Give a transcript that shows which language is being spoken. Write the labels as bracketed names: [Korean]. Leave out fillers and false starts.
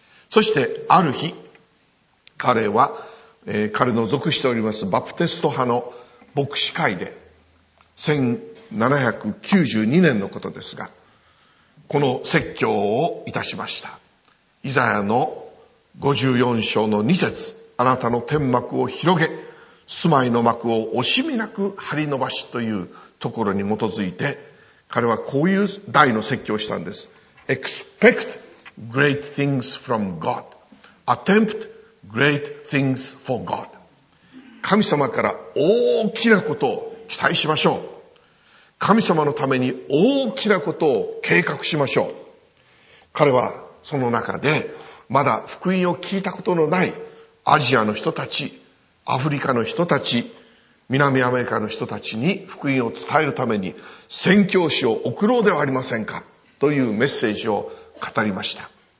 [Japanese] そしてある日、彼は、彼の属しておりますバプテスト派の牧師会で、1792年のことですが、この説教をいたしました。イザヤの54章の2節、あなたの天幕を広げ、住まいの幕を惜しみなく張り伸ばしというところに基づいて、彼はこういう題の説教をしたんです。 [English] Expect great things from God. Attempt great things for God. [Japanese] 神様から大きなことを期待しましょう。神様のために大きなことを計画しましょう。彼はその中でまだ福音を聞いたことのないアジアの人たち、アフリカの人たち、南アメリカの人たちに福音を伝えるために宣教師を送ろうではありませんかというメッセージを語りました。